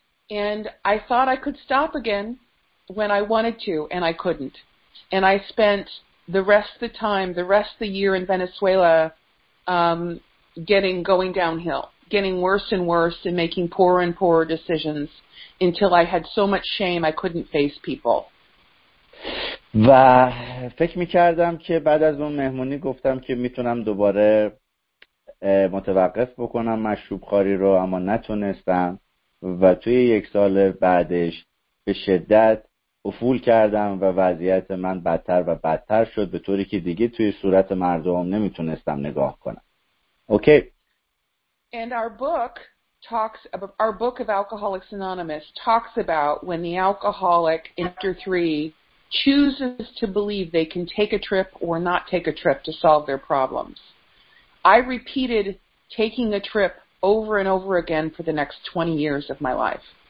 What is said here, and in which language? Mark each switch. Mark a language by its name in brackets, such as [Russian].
[English] And I thought I could stop again when I wanted to, and I couldn't. And I spent the rest of the time, the rest of the year in Venezuela, going downhill, getting worse and worse and making poorer and poorer decisions until I had so much shame I couldn't face people. [Persian] و فکر می‌کردم که بعد از اون مهمونی گفتم که میتونم دوباره متوقف بکنم مشروب‌خواری رو، اما نتونستم و توی یک سال بعدش به شدت افول کردم و وضعیت من بدتر و بدتر شد به طوری که دیگه توی صورت مردم نمیتونستم نگاه کنم. [English] Okay. And our book of Alcoholics Anonymous talks about when the alcoholic in chapter 3 chooses to believe they can take a trip or not take a trip to solve their problems. I repeated taking a trip over and over again for the next 20 years of my life.